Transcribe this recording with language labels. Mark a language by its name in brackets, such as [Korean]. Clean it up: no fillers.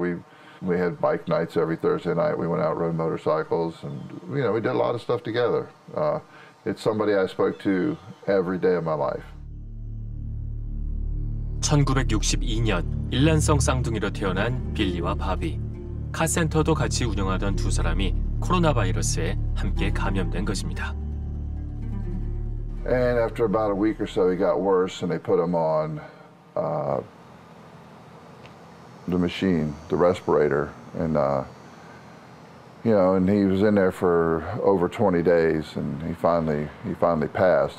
[English] We had bike nights every Thursday night. We went out, rode motorcycles, and you know, we did a lot of stuff together. It's somebody I spoke to every day of my life. [Korean] 1962년 일란성 쌍둥이로 태어난 빌리와 바비. 카센터도 같이 운영하던 두 사람이 코로나 바이러스에 함께 감염된 것입니다. [English] And after about a week or so he got worse and they put him on the machine, the respirator and you know, and he was in there for over 20 days and he finally passed.